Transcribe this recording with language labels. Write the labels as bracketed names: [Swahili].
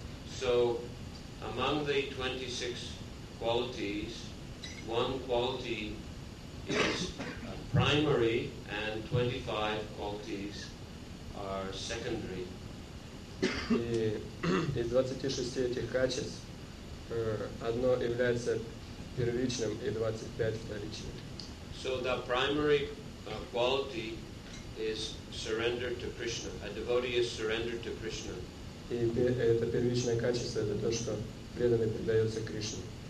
[English] So, among the 26 qualities, one quality is primary, and 25 qualities are secondary. [Russian] И из 26 этих качеств одно является первичным и 25 вторичным. [English] So the primary quality is surrender to Krishna. A devotee is surrendered to Krishna. [Russian] И это первичное качество, это то, что преданный предается Кришне.